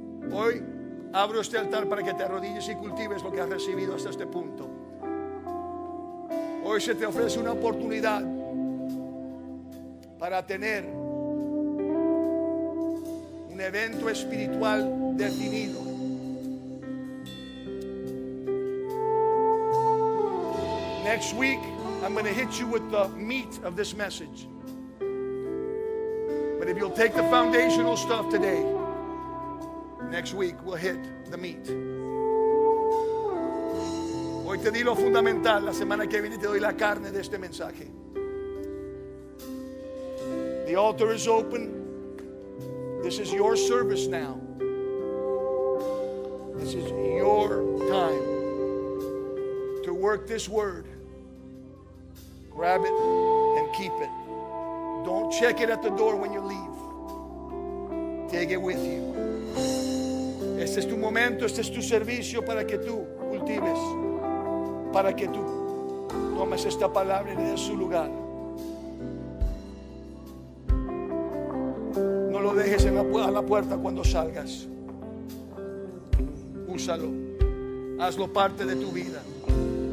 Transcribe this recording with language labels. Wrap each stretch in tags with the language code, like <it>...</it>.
<es>Hoy abro este altar para que te arrodilles y cultives lo que has recibido hasta este punto. Hoy se te ofrece una oportunidad para tener un evento espiritual definido.</es> <en>Next week, I'm going to hit you with the meat of this message. But if you'll take the foundational stuff today, next week we'll hit the meat.</en> <es>Hoy te di lo fundamental. La semana que viene te doy la carne de este mensaje.</es> <en>The altar is open. This is your service now. This is your time to work this word. Grab it and keep it. Don't check it at the door when you leave. Take it with you.</en> <es>Este es tu momento, este es tu servicio para que tú cultives, para que tú tomes esta palabra y le des su lugar. No lo dejes en la puerta cuando salgas. Úsalo, hazlo parte de tu vida.</es>